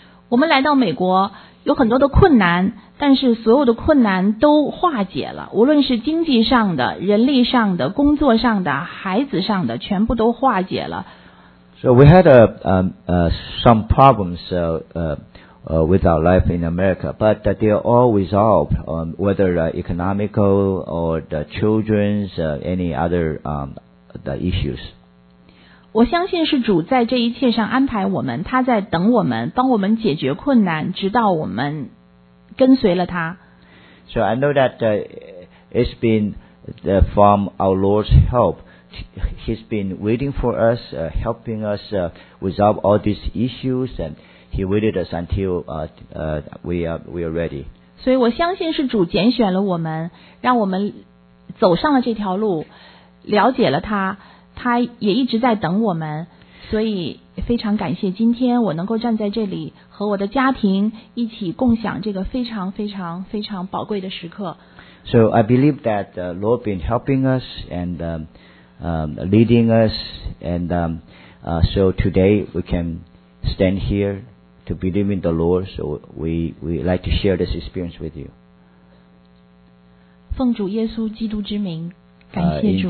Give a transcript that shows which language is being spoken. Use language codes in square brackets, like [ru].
[zh] 我们来到美国有很多的困难，但是所有的困难都化解了，无论是经济上的、人力上的、工作上的、孩子上的，全部都化解了。 [en] So we had some problems with our life in America, but they are all resolved, whether economical or the children's, any other the issues. [zh] 我相信是主在这一切上安排我们，他在等我们，帮我们解决困难，直到我们跟随了他。 [en] So I know that it's been from our Lord's help. He's been waiting for us, helping us resolve all these issues, and he waited us until we are ready. [zh] 所以我相信是主拣选了我们，让我们走上了这条路，了解了他。他也一直在等我们，所以非常感谢今天我能够站在这里和我的家庭一起共享这个非常非常非常宝贵的时刻。 [en] So I believe that the Lord has been helping us and leading us, and so today we can stand here to believe in the Lord, so we like to share this experience with you. [zh] 奉主耶稣基督之名，感谢主。